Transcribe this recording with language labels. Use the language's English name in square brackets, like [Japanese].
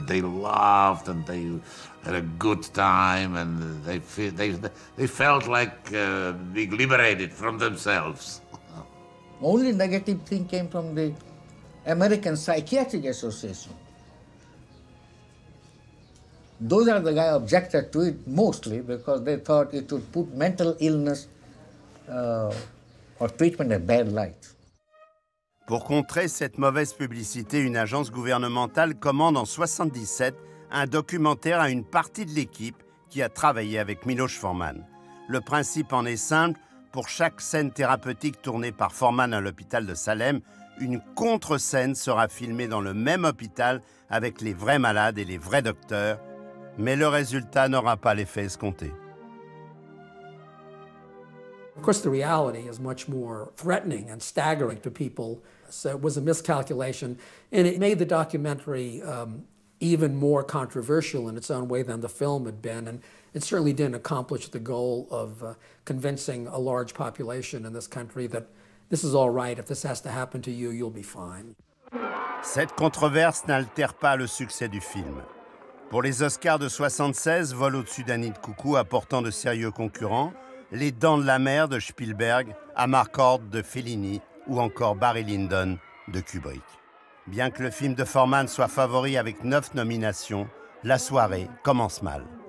[English] They laughed and they had a good time and they felt like being liberated from themselves. Only negative thing came from the American Psychiatric Association. Those are the guys objected to it mostly because they thought it would put mental illness or treatment in bad light. [French] Pour contrer cette mauvaise publicité, une agence gouvernementale commande en 77 un documentaire à une partie de l'équipe qui a travaillé avec Miloš Forman. Le principe en est simple, pour chaque scène thérapeutique tournée par Forman à l'hôpital de Salem, une contre-scène sera filmée dans le même hôpital avec les vrais malades et les vrais docteurs, mais le résultat n'aura pas l'effet escompté. [English] Of course, the reality is much more threatening and staggering to people. So it was a miscalculation, and it made the documentary even more controversial in its own way than the film had been. And it certainly didn't accomplish the goal of convincing a large population in this country that this is all right. If this has to happen to you, you'll be fine. [French] Cette controverse n'altère pas le succès du film. Pour les Oscars de 76, Vol au-dessus d'un nid de coucou apportant de sérieux concurrents. Les Dents de la mer de Spielberg, Amarcord de Fellini ou encore Barry Lyndon de Kubrick. Bien que le film de Forman soit favori avec 9 nominations, la soirée commence mal.